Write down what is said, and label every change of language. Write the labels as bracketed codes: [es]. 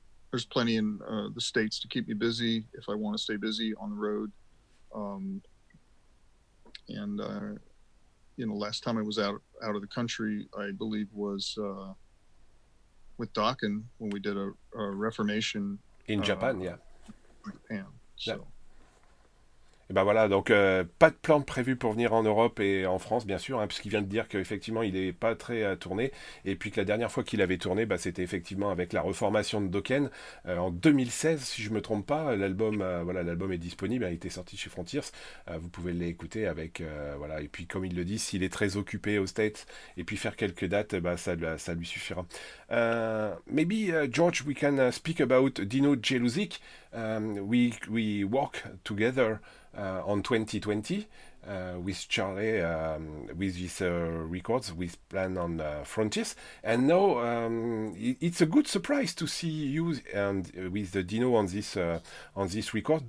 [en] There's plenty in the States to keep me busy if I want to stay busy on the road. You know, last time I was out of the country, I believe was with Dokken when we did a reformation. In Japan, yeah. Japan, so. Yeah. [fr] Et ben voilà, donc pas de plan prévu pour venir en Europe et en France, bien sûr, hein, puisqu'il vient de dire qu'effectivement il n'est pas très à tourner, et puis que la dernière fois qu'il avait tourné, bah, c'était effectivement avec la reformation de Dokken en 2016, si je ne me trompe pas. L'album, voilà, l'album est disponible, il était sorti chez Frontiers, vous pouvez l'écouter avec, voilà, et puis comme il le dit, s'il est très occupé aux States, et puis faire quelques dates, bah, ça lui suffira. [en] Maybe, George, we can speak about Dino Jeluzic. We work together on 2020 with Charlie with his records with plan on Frontiers, and now it's a good surprise to see you and with Dino on this record.